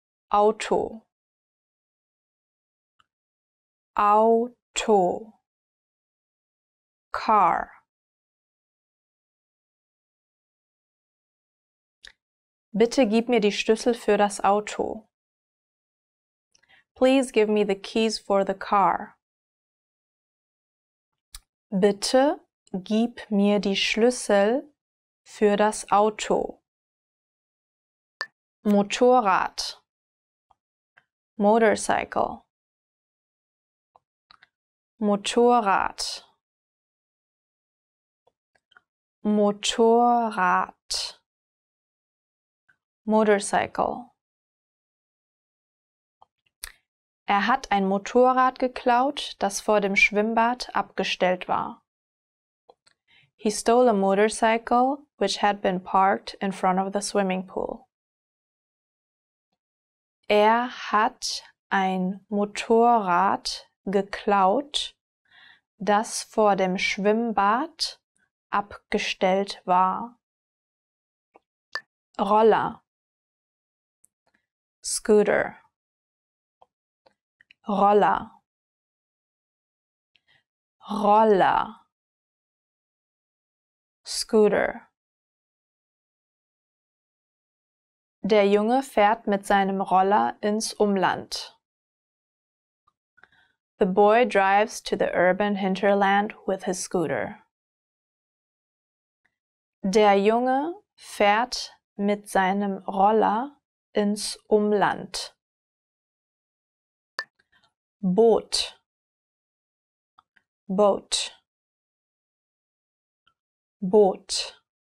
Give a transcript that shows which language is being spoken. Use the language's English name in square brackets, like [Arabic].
[German] Auto. Auto. [English] Car. [German] Bitte gib mir die Schlüssel für das Auto. [English] Please give me the keys for the car. [German] Bitte gib mir die Schlüssel für das Auto. Motorrad. [English] Motorcycle. [German] Motorrad. Motorrad. [English] Motorcycle. [German] Er hat ein Motorrad geklaut, das vor dem Schwimmbad abgestellt war. [English] He stole a motorcycle which had been parked in front of the swimming pool. [German] Er hat ein Motorrad geklaut, das vor dem Schwimmbad abgestellt war. Roller. [English] Scooter. [German] Roller. Roller. [English] Scooter. [German] Der Junge fährt mit seinem Roller ins Umland. [English] The boy drives to the urban hinterland with his scooter. [German] Der Junge fährt mit seinem Roller ins Umland. Boot. Boot. Boot.